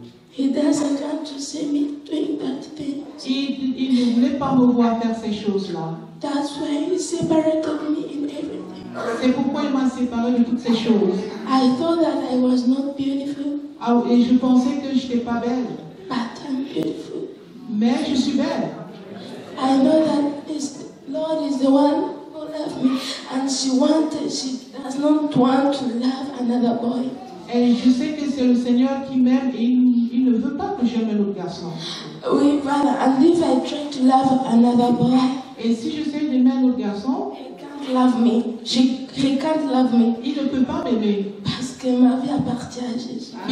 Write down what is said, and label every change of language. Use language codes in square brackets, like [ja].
[en] He doesn't want to see me doing that thing. [fr] Il ne voulait pas me voir faire ces choses-là. [en] That's why he separated me in everything. [fr] C'est pourquoi il m'a séparé de toutes ces choses. [en] I thought that I was not beautiful. [fr] Ah, et je pensais que je n'étais pas belle. [en] But I'm beautiful. [fr] Mais je suis belle. [en] I know that his Lord is the one who loves me, and she does not want to love another boy. [fr] Et je sais que c'est le Seigneur qui m'aime et il ne veut pas que j'aime un autre garçon. Oui, voilà. [en] And if I try to love another boy, [fr] et si j'essaie d'aimer un autre garçon, [en] he can't love me. He can't love me. [fr] Il ne peut pas m'aimer. Parce que ma vie appartient à Jésus.